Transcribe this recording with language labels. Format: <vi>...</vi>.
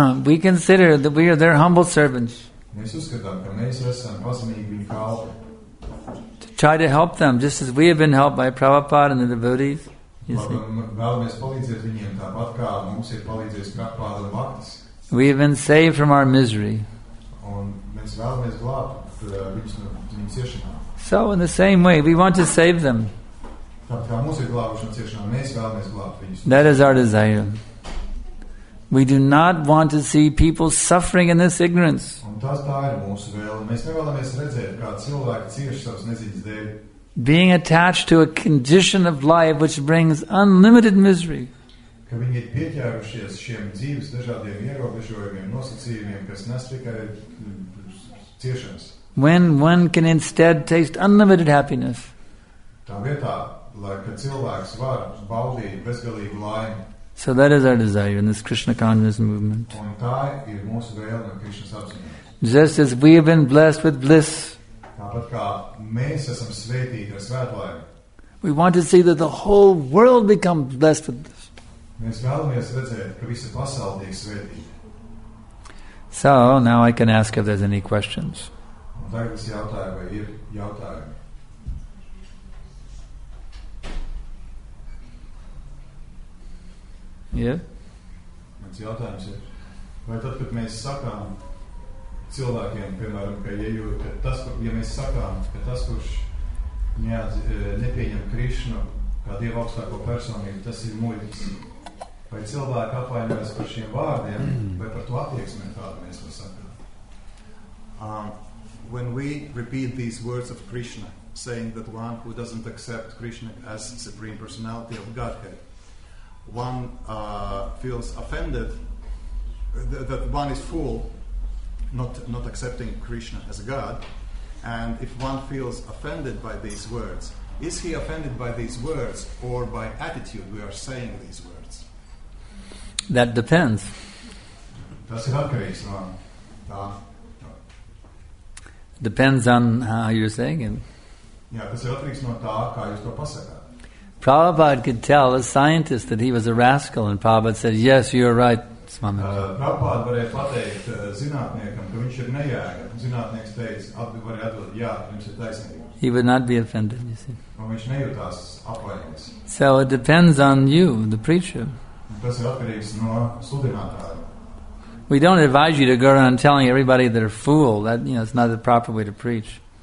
<en>We consider that we are their humble servants.</en> <lv>Mēs uzskatām, ka mēs esam pazemīgi viņu kalpi.</lv> <en>To try to help them, just as we have been helped by Prabhupada and the devotees.</en> <lv>Vēlamies palīdzēt viņiem tāpat, kā mums ir palīdzējis Prabhupada un Bhaktas.</lv> <en>We have been saved from our misery.</en> <lv>Un mēs vēlamies glābt viņus no viņu ciešanām.</lv> <en>So, in the same way, we want to save them.</en> <lv>Tāpat kā mums ir glābuši no ciešanām, mēs vēlamies glābt viņus.</lv> <en>That is our desire. We do not want to see people suffering in this ignorance.</en> <lv>Tā ir mūsu vēle. Mēs nevēlamies redzēt, kā cilvēki cieš savas neziņas dēļ.</lv> <en>Being attached to a condition of life which brings unlimited misery.</en> <lv>ka viņi ir pieķērušies šiem dzīves dažādiem ierobežojumiem, nosacījumiem, kas nes tikai ciešanas.</lv> <en>When one can instead taste unlimited happiness.</en> <lv>Tā vietā, lai ka cilvēks var baudīt bezgalīgu laimi.</lv> <en>So that is our desire in this Krishna consciousness movement.</en> <lv>Un tā ir mūsu vēle no Krishnas apziņas.</lv> <en>Just as we have been blessed with bliss.</en> <lv>Tāpat kā mēs esam svētīti ar svētlaimi.</lv> <en>We want to see that the whole world becomes blessed with this.</en> <lv>Mēs vēlamies redzēt, ka visa pasaule tiek svētīta.</lv> <en>So, now I can ask if there's any questions.</en> <lv>Tagad es jautāju, vai ir jautājumi. Yeah. Mans jautājums ir, vai tad, kad mēs sakām cilvēkiem, piemēram, ka ja mēs sakām, ka tas, kurš nepieņem Krišnu kā Dieva augstāko personību, tas ir muļķis. Vai cilvēki apvainojas par šiem vārdiem, vai par to attieksmi, kādu mēs to sakām?</lv> <en>When we repeat these words of Krishna, saying that one who doesn't accept Krishna as Supreme Personality of Godhead, one feels offended that one is fool, not accepting Krishna as a God, and if one feels offended by these words, is he offended by these words or by attitude we are saying these words? That depends.</en> <lv>Tas ir atkarīgs no tā.</lv> <en>Depends on how you're saying it.</en> <lv>Jā, tas ir atkarīgs no tā, kā jūs to pasakāt.</lv> <en>Prabhupāda could tell a scientist that he was a rascal, and Prabhupāda said, yes, you're right, Swami.</en> <lv>Prabhupāda varēja pateikt zinātniekam, ka viņš ir nejēga. Zinātnieks teica, varēja atdod, jā, viņš ir taisnīgs.</lv> <en>He would not be offended, you see.</en> <lv>Un viņš nejūtās apvainojis.</lv> <en>So it depends on you, the preacher.</en> <lv>Tas ir atkarīgs no sludinātāja.</lv> <en>We don't advise you to go around telling everybody they're a fool. That, you know, it's not the proper way to preach.</en>